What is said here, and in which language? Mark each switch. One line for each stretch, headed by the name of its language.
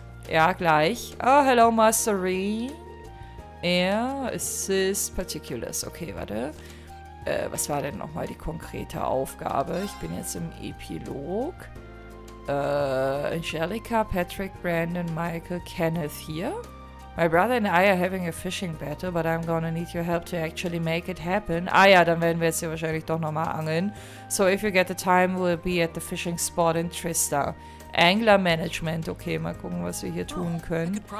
German: Ja, gleich.
English: Hello, Master Reen. Assist particulars. Okay,
German: warte. Was war denn nochmal die konkrete Aufgabe? Ich bin jetzt im Epilog. Angelica, Patrick, Brandon, Michael, Kenneth hier.
English: My brother and I are having a fishing battle, but I'm gonna need your help to actually make it happen.
German: Ah ja, dann werden wir jetzt hier wahrscheinlich doch nochmal angeln.
English: So if you get the time, we'll be at the fishing spot in Trista. Angler Management.
German: Okay, mal gucken, was wir hier tun können.